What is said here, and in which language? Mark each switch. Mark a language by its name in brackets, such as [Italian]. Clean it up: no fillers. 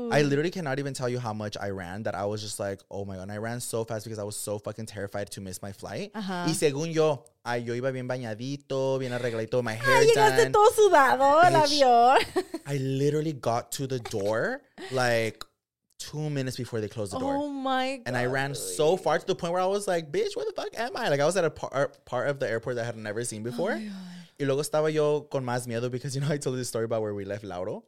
[English] I literally cannot even tell you how much I ran that I was just like, oh my God. And I ran so fast because I was so fucking terrified to miss my flight. Uh-huh. [Spanish] Y según yo, yo iba bien bañadito, bien arregladito, [English] my hair done. [Spanish] Llegaste todo sudado, el avión. [English] I literally got to the door like 2 minutes before they closed the door. Oh my God. And I ran so far to the point where I was like, bitch, where the fuck am I? Like, I was at a part of the airport that I had never seen before. Oh my God. [Spanish] Y luego estaba yo con más miedo [English] because, you know, I told you the story about where we left Lauro.